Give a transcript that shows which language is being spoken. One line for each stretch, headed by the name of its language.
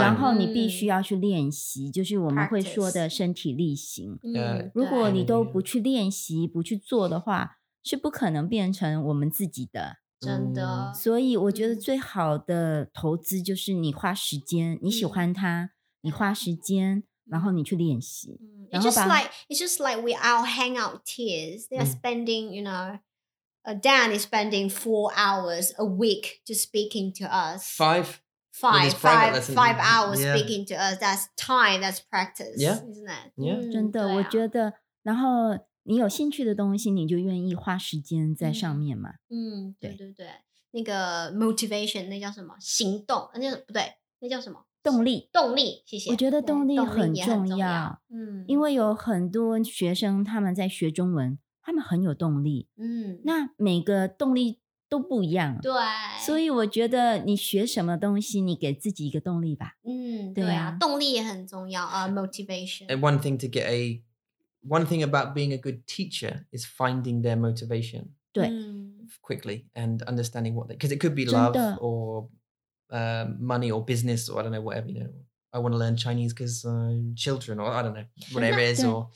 Chinese: 然后你必须要去练习，就是我们会说的身体力行。嗯，如果你都不去练习，不去做的话，是不可能变成我们自己的。真的。所以我觉得最好的投资就是你花时间，你喜欢它，你花时间，然后你去练习。
English: It's just like we all hang out tears. They are spending, you know, Dan is spending 4 hours a week just speaking to us. Five hours、 yeah. speaking to us. That's time. That's practice. Yeah, isn't it? Yeah,、
Chinese: 真的、啊、我觉得，然后你有兴趣的东西，你就愿意花时间在上面嘛。嗯，对对对，那个 motivation 那叫什么？行动？那不对，那叫什么？动力，动力，谢谢。我觉得动力很重要，嗯，因为有很多学生他们在学中文，他们很有动力，嗯，那每个动力都不一样，对，所以我觉得你学什么东西，你给自己一个动力吧，嗯，对啊，动力也很重要啊 ，motivation。
English: And one thing to get a one thing about being a good teacher is finding their motivation，
Chinese: 对
English: ，quickly and understanding what they because it could be love or。 Money or business or I don't know whatever you know. I want to learn Chinese because children or I don't know whatever it is or.